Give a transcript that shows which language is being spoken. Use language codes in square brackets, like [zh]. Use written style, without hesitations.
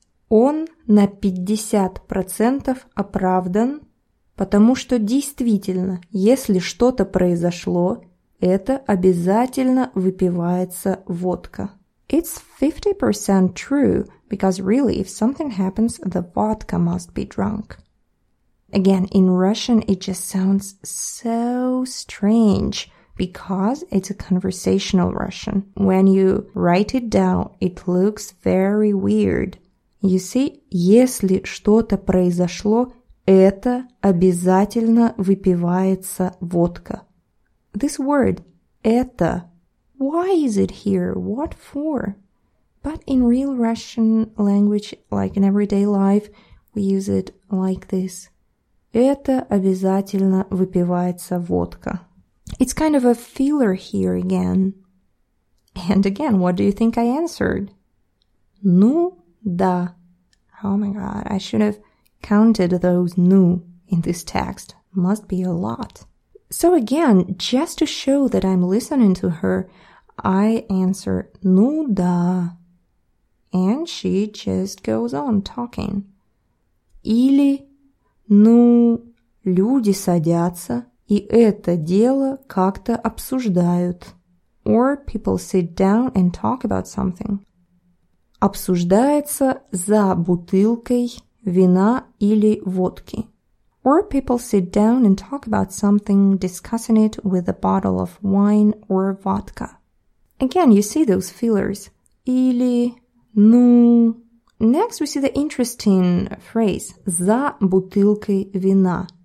[ru] Он на 50% оправдан, потому что действительно, если что-то произошло, это обязательно выпивается водка. [en] It's 50% true, because really, if something happens, the vodka must be drunk. Again, in Russian, it just sounds so strange, because it's a conversational Russian. When you write it down, it looks very weird. You see, [ru] если что-то произошло, это обязательно выпивается водка. [en] This word, это, why is it here? What for? But in real Russian language, like in everyday life, we use it like this. [ru] Это обязательно выпивается водка. [en] It's kind of a filler here again. And again, what do you think I answered? [ru] Ну, да. [en] Oh my god, I should have counted those ну in this text. Must be a lot. So again, just to show that I'm listening to her, I answer [ru] ну да. [en] And she just goes on talking. [ru] Или ну люди садятся и это дело как-то обсуждают. [en] Or people sit down and talk about something. [ru] Обсуждается за бутылкой вина или водки. [en] Or people sit down and talk about something, discussing it with a bottle of wine or vodka. Again, you see those fillers. [ru] Или, ну. [en] Next, we see the interesting phrase. [ru] За бутылкой вина.